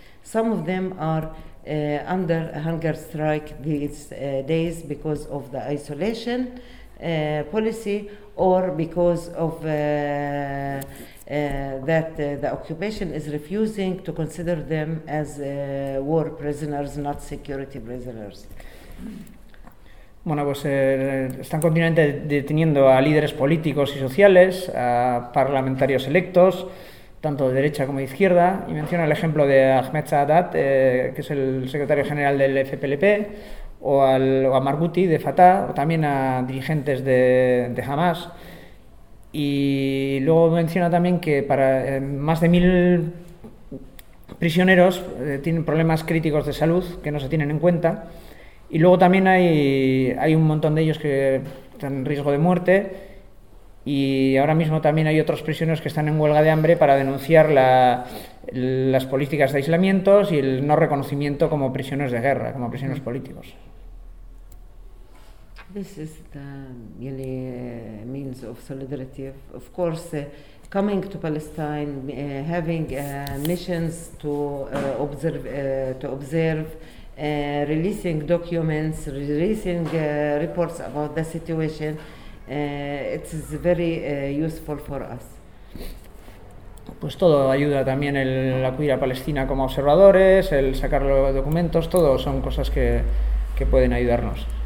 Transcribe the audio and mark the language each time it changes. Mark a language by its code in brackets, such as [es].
[en] Some of them are under hunger strike these days because of the isolation policy or because of the occupation is refusing to consider them as war prisoners, not security prisoners. [es] Bueno, pues están continuamente deteniendo a líderes políticos y sociales, a parlamentarios electos, tanto de derecha como de izquierda, y menciona el ejemplo de Ahmed Saadat, que es el secretario general del FPLP, o a Marghouti de Fatah, o también a dirigentes de Hamas. Y luego menciona también que para más de 1,000 prisioneros tienen problemas críticos de salud que no se tienen en cuenta, y luego también hay un montón de ellos que están en riesgo de muerte, y ahora mismo también hay otros prisioneros que están en huelga de hambre para denunciar las políticas de aislamiento y el no reconocimiento como prisioneros de guerra, como prisioneros políticos. [en] This is the really means of solidarity. Of course, coming to Palestine, having missions to observe, releasing documents, releasing reports about the situation, it's very useful for us. [es] Pues todo ayuda, también el acudir a Palestina como observadores, el sacar los documentos, todo son cosas que pueden ayudarnos.